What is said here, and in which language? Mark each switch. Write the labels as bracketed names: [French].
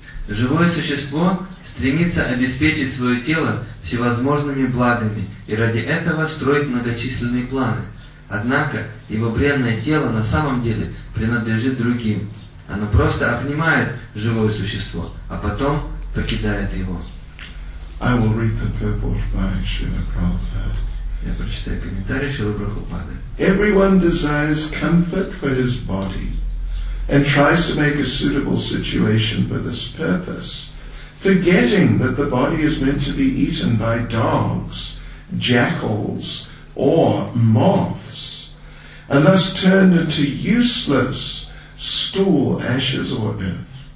[Russian] Живое существо стремится обеспечить свое тело всевозможными благами и ради этого строит многочисленные планы. Однако его бренное тело на самом деле принадлежит другим. Оно просто обнимает живое существо, а потом покидает его. [English] I will read the purport by Srila Prabhupada. [Russian] Я прочитаю комментарий Шрилы Прабхупады. [English] Everyone desires comfort for his body and tries to make a suitable situation for this purpose, forgetting that the body is meant to be eaten by dogs, jackals, or moths, and thus turned into useless stool, ashes, or earth.